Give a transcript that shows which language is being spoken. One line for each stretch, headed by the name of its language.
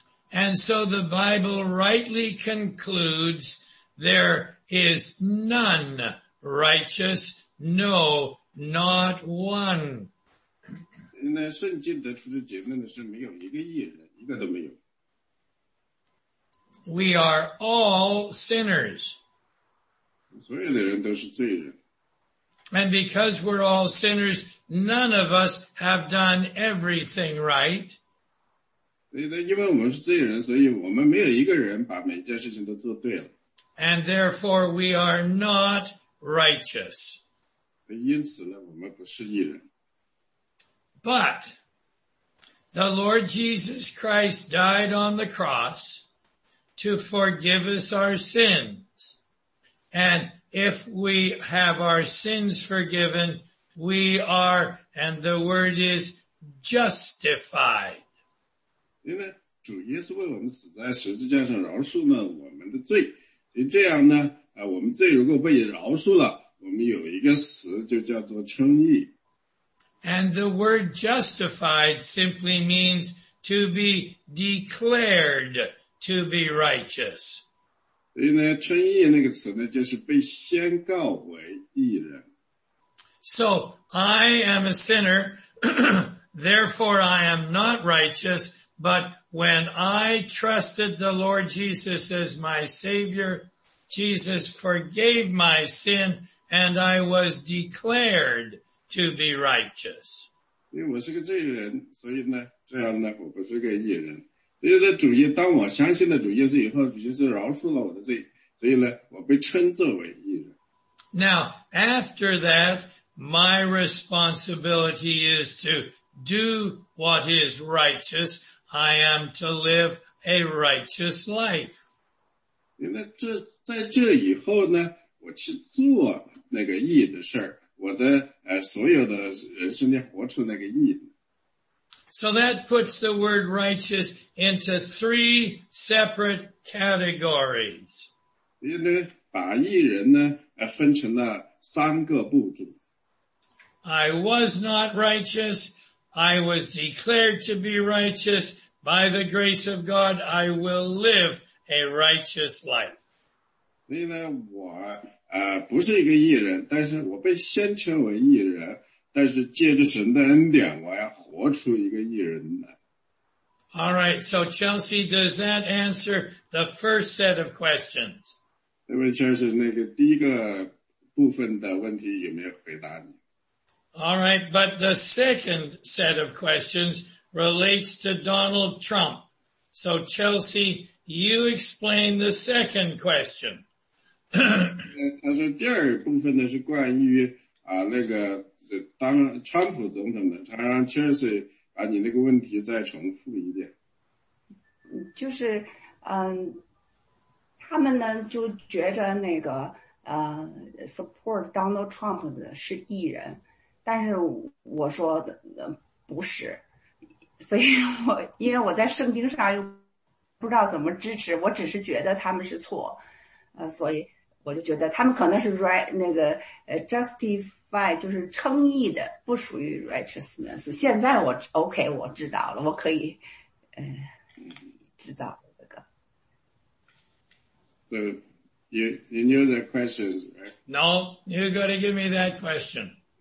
English: And so the Bible rightly concludes there is none righteous, no, not one.
Chinese: 那圣经得出的结论呢，是没有一个义人，一个都没有。
English: We are all sinners.
Chinese: 所有的人都是罪人。
English: And because we're all sinners, none of us have done everything right.
Chinese: 所以呢，因为我们是罪人，所以我们没有一个人把每件事情都做对了。
English: And therefore, we are not righteous.
Chinese: 因此呢，我们不是义人。
English: But the Lord Jesus Christ died on the cross to forgive us our sins. And if we have our sins forgiven, we are, and the word is, justified.
Chinese: 因为主耶稣为我们死在十字架上，饶恕了我们的罪，这样呢，我们罪如果被饶恕了，我们有一个词就叫做称义。
English: And the word justified simply means to be declared to be righteous.
Chinese: 所以呢，称义那个词呢，就是被宣告为义人。
English: So, I am a sinner, therefore I am not righteous, but when I trusted the Lord Jesus as my Savior, Jesus forgave my sin, and I was declared to be righteous.
Chinese: 因为我是个罪人，所以呢，这样呢，我不是个义人。所以呢，主耶稣，当我相信了主耶稣以后，主耶稣饶恕了我的罪，所以呢，我被称作为义人。
English: Now, after that,My responsibility is to do what is righteous. I am to live a righteous life.
Chinese: 那这在这以后呢，我去做那个义的事儿，我的所有的人生要活出那个义。
English: So that puts the word righteous into three separate categories.
Chinese: 因为把义人呢分成了三个步骤。
English: I was not righteous. I was declared to be righteous. By the grace of God, I will live a righteous life.
Chinese: 所以呢，我不是一个义人，但是我被宣称为义人，但是借着神的恩典，我要活出一个义人来。
English: All right, so Chelsea, does that answer the first set of questions?
Chinese: 那么 Chelsea, 那个第一个部分的问题有没有回答你？
English: All right, but the second set of questions relates to Donald Trump. So, Chelsea, you explain the second question.
Chinese: 他说第二部分呢是关于那个当川普总统的，他让 Chelsea 把你那个问题再重复一遍。就是他们呢就觉着那个support Donald Trump 的是艺人。但是我说的不是，所以我因为我在圣经上又不知道怎么支持，我只是觉得他们是错，所以我就觉得他们可能是 right 那个justify 就是称义的，不属于 righteousness。现在我 OK， 我知道了，我可以知道这个。
English: So you knew the questions, right? No, you gotta give me that question.